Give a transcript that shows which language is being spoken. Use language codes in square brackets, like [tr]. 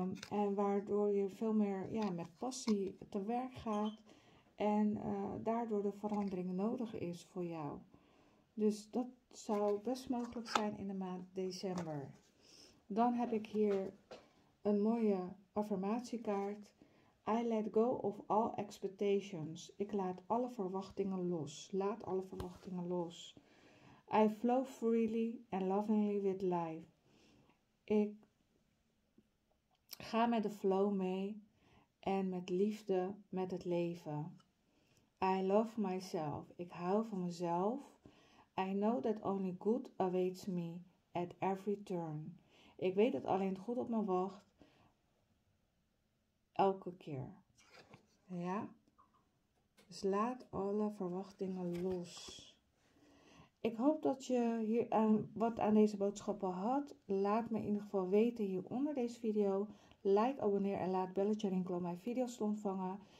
[nl] En waardoor je veel meer met passie te werk gaat en daardoor de verandering nodig is voor jou. Dus dat zou best mogelijk zijn in de maand december. Dan heb ik hier een mooie affirmatiekaart. [en] I let go of all expectations. [nl] Ik laat alle verwachtingen los. Laat alle verwachtingen los. [en] I flow freely and lovingly with life. [nl] Ik ga met de flow mee en met liefde met het leven. [en] I love myself. [nl] Ik hou van mezelf. [en] I know that only good awaits me at every turn. [nl] Ik weet dat alleen het goed op me wacht. Elke keer. Ja? Dus laat alle verwachtingen los. Ik hoop dat je hier wat aan deze boodschappen had. Laat me in ieder geval weten hier onder deze video. Like, abonneer en laat belletje rinkelen om mijn video's te ontvangen.